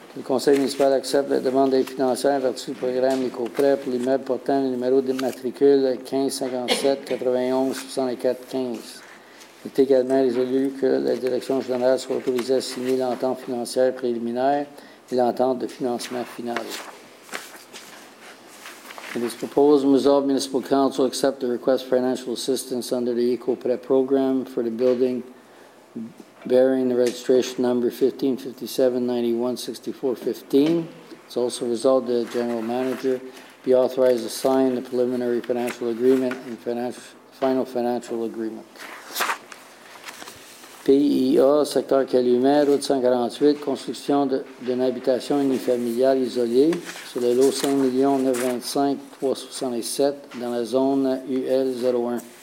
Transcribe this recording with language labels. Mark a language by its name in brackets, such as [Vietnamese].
[French] Le conseil municipal accepte la demande d'aide financière en vertu du programme éco-prêt pour l'immeuble portant le numéro de matricule 1557-91-64-15. Il est également résolu que la direction générale soit autorisée à signer l'entente financière préliminaire et l'entente de financement final. [English] It is proposed and resolved municipal council accept the request for financial assistance under the éco-prêt program for the building bearing the registration number 1557-91-64-15. It's also resolved that the general manager be authorized to sign the preliminary financial agreement and final financial agreement. [French] PIA, secteur Calumet, route 148, construction d'une habitation unifamiliale isolée sur le lot 5,925,367 dans la zone UL01.